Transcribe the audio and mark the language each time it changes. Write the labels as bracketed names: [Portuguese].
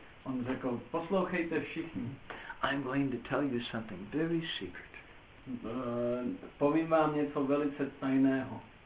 [Czech] On řekl, poslouchejte všichni. [English] I'm going to tell you something very secret. [Czech] Povím vám něco velice tajného.